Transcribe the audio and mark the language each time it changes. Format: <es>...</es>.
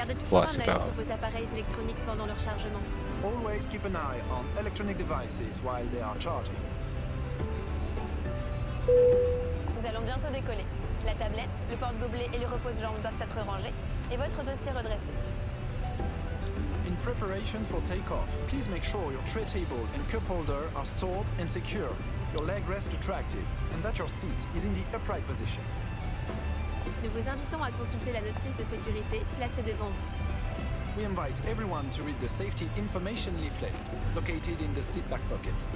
<fr>Ouais, c'est pas grave. Vos appareils électroniques pendant leur chargement.</fr> <en>Always keep an eye on electronic devices while they are charging.</en> <fr>Nous allons bientôt décoller. La tablette, le porte-gobelet et le repose-jambe doivent être rangés et votre dossier redressé.</fr> <en>In preparation for takeoff, please make sure your tray table and cup holder are stored and secure. Your leg rest attractive and that your seat is in the upright position.</en> <fr>Nous vous invitons à consulter la notice de sécurité placée devant vous.</fr> <en>We invite everyone to read the safety information leaflet located in the seat back pocket.</en>